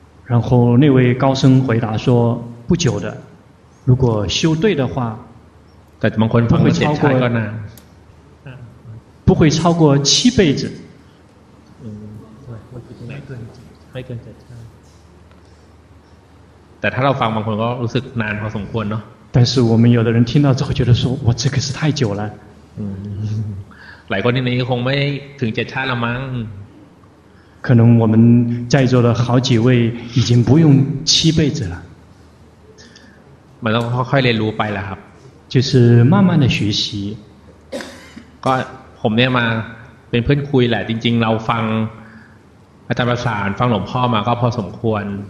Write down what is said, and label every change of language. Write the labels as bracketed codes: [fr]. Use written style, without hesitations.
[zh] 然后那位高僧回答说不久的如果修对的话 [th] แต่บางคน ฟังว่าเจ็ดชาติก็นาน [zh] 不会超过七辈子 [th] ไม่เกินเจ็ด แต่ถ้าเราฟังบางคนก็รู้สึกนานพอสมควรเนาะ [zh] 但是我们有的人听到之后觉得说哇这个是太久了 [th] หลายคนที่นี้คงไม่ถึงเจ็ดชาติละมั้ง [zh] 可能我们在座的好几位已经不用七辈子了 [th] มันต้องค่อยๆเรียนรู้ไปละครับ [zh] 就是慢慢的学习 [th] ก็ผมเนี่ยมาเป็นเพื่อนคุยแหละจริงๆเราฟังอาจารย์ประสานฟังหลวงพ่อมาก็พอสมควร